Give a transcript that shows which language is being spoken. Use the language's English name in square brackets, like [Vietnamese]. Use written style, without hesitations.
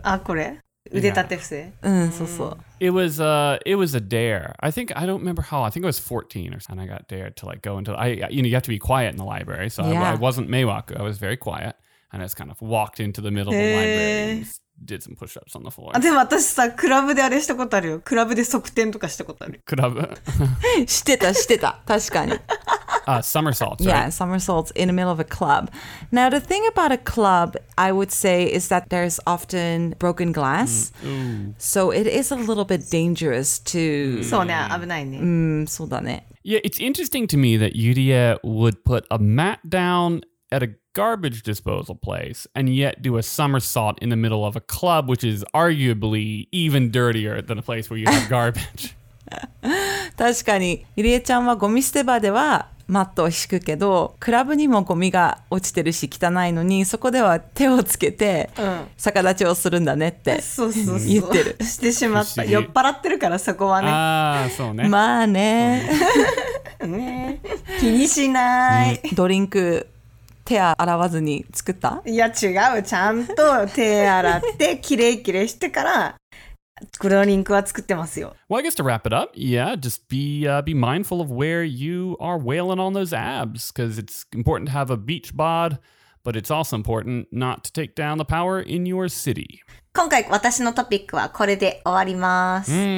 [Japanese] Ah, これ腕立て伏せ. [English] Yeah. [Japanese] そうそう. [English] It was a dare. I think I don't remember how. I think I was 14 or something. I got dared to like go into. You have to be quiet in the library. So yeah. I wasn't meiwaku. I was very quiet. And I just kind of walked into the middle of the library. Did some push-ups on the floor. [Japanese] でも私さ、クラブであれしたことあるよ。クラブで側転とかしたことある。クラブ？してた、してた。確かに。 [English] Somersaults, yeah, Yeah, somersaults in the middle of a club. Now, the thing about a club, I would say, is that there's often broken glass. So it is a little bit dangerous to... [Japanese] そうね、危ないね。そうだね。 [English] Yeah, it's interesting to me that Yurie would put a mat down at a... garbage disposal place and yet do a somersault in the middle of a club, which is arguably even dirtier than a place where you have garbage. [Japanese] 確かに、ゆりえちゃんはゴミ捨て場ではマットを敷くけど、クラブにもゴミが落ちてるし汚いのに、そこでは手をつけて逆立ちをするんだねって、そうそうそう言ってる。してしまった。酔っ払ってるからそこはね。ああ、そうね。まあね。ね、気にしない。ドリンク。手洗わずに作った？いや違う、ちゃんと手洗ってキレイキレイしてからクロリンクは作ってますよ。 [English] Well, I guess to wrap it up, yeah, just be mindful of where you are wailing on those abs, because it's important to have a beach bod, but it's also important not to take down the power in your city. [Japanese] 今回私のトピックはこれで終わります。